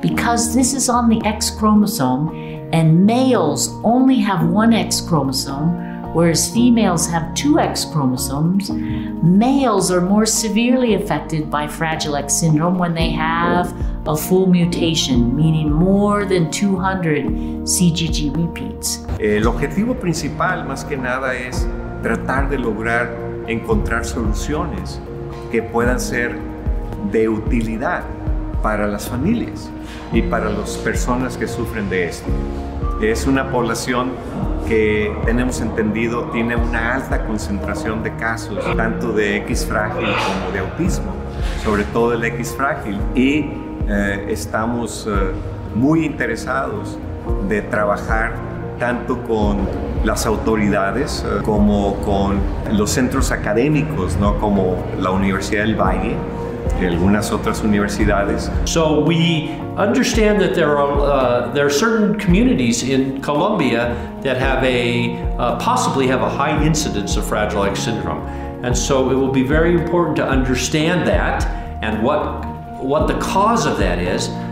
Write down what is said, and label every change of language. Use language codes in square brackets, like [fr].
[en] Because this is on the X chromosome, and males only have one X chromosome, whereas females have two X chromosomes, males are more severely affected by Fragile X syndrome when they have a full mutation, meaning more than 200 CGG repeats. [es] El objetivo principal, más que nada, es tratar de lograr encontrar soluciones que puedan ser de utilidad para las familias y para las personas que sufren de esto. Es una población que tenemos entendido tiene una alta concentración de casos, tanto de X frágil como de autismo, sobre todo el X frágil, y estamos muy interesados de trabajar tanto con las autoridades como con los centros académicos, ¿no? Como la Universidad del Valle y algunas otras universidades. [en] So we understand that there are certain communities in Colombia that have possibly have a high incidence of Fragile X syndrome. And so it will be very important to understand that and what the cause of that is.